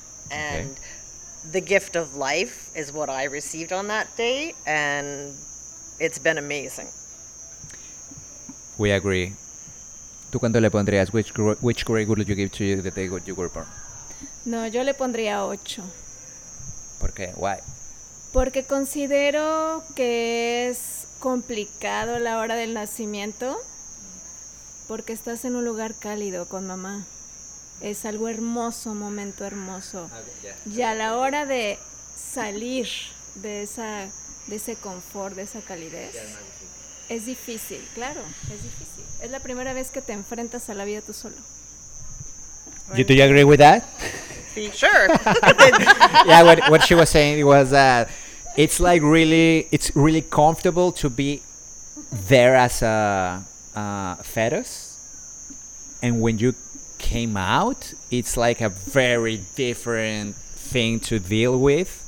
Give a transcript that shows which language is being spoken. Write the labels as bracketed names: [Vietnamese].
[English] And the gift of life is what I received on that day, and it's been amazing. We agree. [Spanish] ¿Tú cuánto le pondrías? [English] Which grade would you give to you the day you were born? [Spanish] No, yo le pondría 8. ¿Por qué? [English] Why? [Spanish] Porque considero que es complicado la hora del nacimiento, porque estás en un lugar cálido con mamá. Es algo hermoso, momento hermoso. Y a la hora de salir de esa, de ese confort, de esa calidez, es difícil, claro, es difícil. Es la primera vez que te enfrentas a la vida tú solo. [English] Do you agree with that? Sure. Yeah, what she was saying was that it's like really, it's really comfortable to be there as a fetus, and when you came out, it's like a very different thing to deal with.